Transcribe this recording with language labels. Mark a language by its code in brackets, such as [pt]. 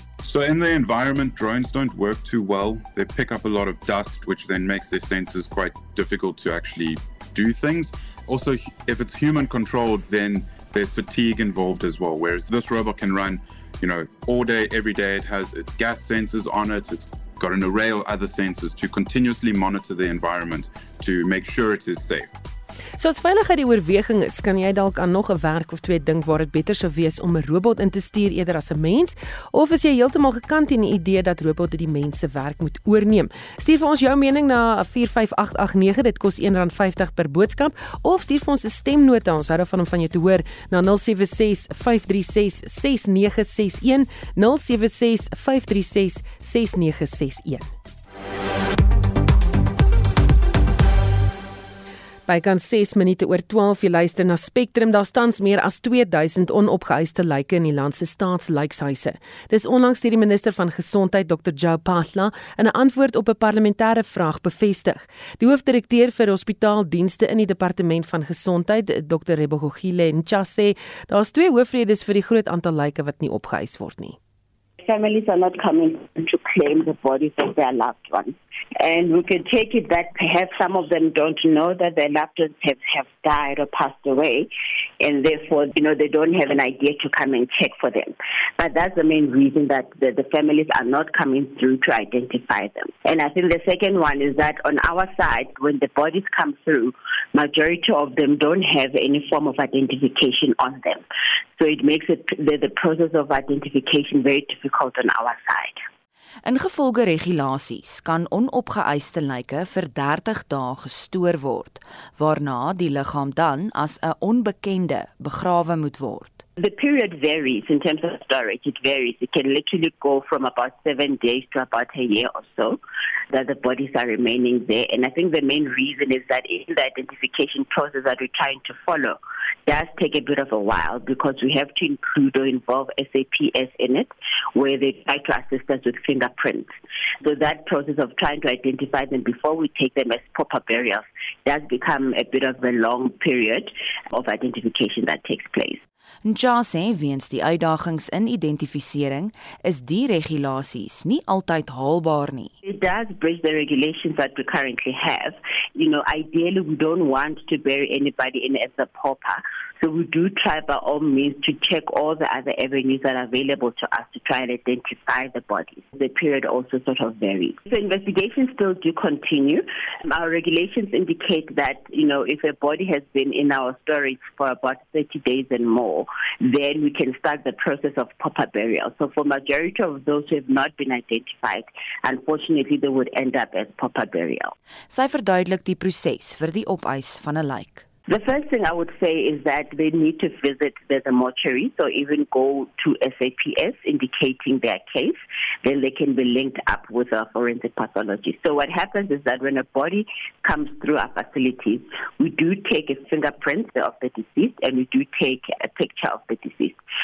[en] So in the environment, drones don't work too well. They pick up a lot of dust, which then makes their sensors quite difficult to actually do things. Also, if it's human controlled, then there's fatigue involved as well. Whereas this robot can run, you know, all day, every day. It has its gas sensors on it. It's got an array of other sensors to continuously monitor the environment to make sure it is safe. [af] So as veiligheid die oorweging is, kan jy dalk aan nog 'n werk of twee dink waar dit beter sou wees om 'n robot in te stuur eerder as 'n mens, of is jy heeltemal gekant in die idee dat robotte die mense werk moet oorneem? Stuur vir ons jou mening na 45889, dit kos R1.50 per boodskap, of stuur vir ons 'n stemnota, ons hou daarvan om van jou te hoor, na 076-536-6961, 076-536-6961. Bykans 6 minute oor 12, jy luister na Spectrum, daar stans meer as 2000 onopgeëiste lyke in die land se staatslykshuise. Dis onlangs deur die minister van gesondheid, Dr. Joe Pathla, in 'n antwoord op 'n parlementêre vraag bevestig. Die hoofdirekteur vir hospitaaldienste in die departement van gesondheid, Dr. Rebogogile Ntsha, sê daar is twee hoofredes vir die groot aantal lyke wat nie opgeëis word nie. [en] Families are not coming to claim the bodies of their loved ones. And we can take it that perhaps some of them don't know that their loved ones have died or passed away. And therefore, you know, they don't have an idea to come and check for them. But that's the main reason that the families are not coming through to identify them. And I think the second one is that on our side, when the bodies come through, majority of them don't have any form of identification on them. So it makes it the process of identification very difficult on our side. [af] Ingevolge regulasies kan onopgeëiste lyke vir 30 dae gestoor word, waarna die liggaam dan as 'n onbekende begrawe moet word. [en] The period varies in terms of storage. It varies. It can literally go from about 7 days to about a year or so that the bodies are remaining there. And I think the main reason is that in the identification process that we're trying to follow does take a bit of a while because we have to include or involve SAPS in it, where they try to assist us with fingerprints. So that process of trying to identify them before we take them as proper burials does become a bit of a long period of identification that takes place. [af] Ja, sê weens die uitdagings in identifisering is die regulasies nie altyd haalbaar nie. [en] It does breach the regulations that we currently have. You know, ideally we don't want to bury anybody in as a pauper. So we do try by all means to check all the other avenues that are available to us to try and identify the bodies. The period also sort of varies. So investigations still do continue. Our regulations indicate that, you know, if a body has been in our storage for about 30 days and more, then we can start the process of proper burial. So for majority of those who have not been identified, unfortunately they would end up as proper burial. [af] Sy verduidelik die proses vir die opeis van 'n lijk. [en] The first thing I would say is that they need to visit the mortuary, so even go to SAPS indicating their case. Then they can be linked up with a forensic pathologist. So what happens is that when a body comes through our facilities, we do take a fingerprint of the deceased and we do take a picture of the deceased.